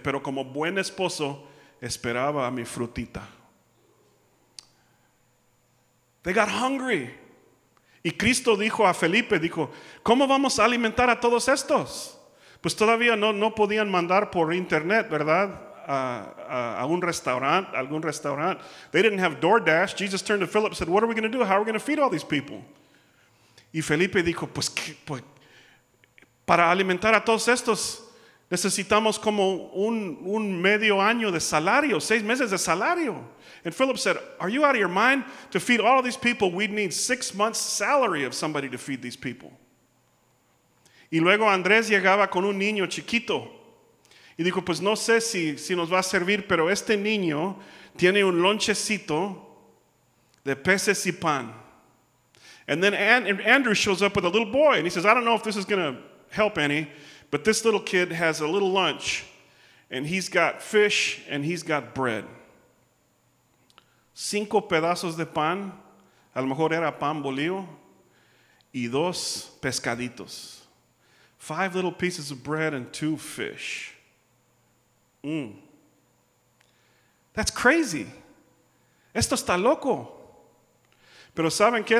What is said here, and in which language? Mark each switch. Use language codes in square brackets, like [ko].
[es] Pero como buen esposo, esperaba a mi frutita. [en] They got hungry. [es] Y Cristo dijo a Felipe, dijo, "¿Cómo vamos a alimentar a todos estos?" Pues todavía no podían mandar por internet, ¿verdad? A algún restaurante. [en] They didn't have DoorDash. Jesus turned to Philip and said, "What are we going to do? How are we going to feed all these people?" [es] Y Felipe dijo, pues para alimentar a todos estos necesitamos como un medio año de salario, 6 meses de salario. [en] And Philip said, "Are you out of your mind? To feed all these people, we'd need 6 months' salary of somebody to feed these people." [es] Y luego Andrés llegaba con un niño chiquito. Y dijo, "Pues no sé si nos va a servir, pero este niño tiene un lonchecito de peces y pan." [en] And then Andrew shows up with a little boy, and he says, "I don't know if this is going to help any, but this little kid has a little lunch, and he's got fish and he's got bread." [es] 5 pedazos de pan, a lo mejor era pan bolillo, y 2 pescaditos. [en] 5 little pieces of bread and 2 fish. That's crazy. [es] Esto está loco. Pero ¿saben qué?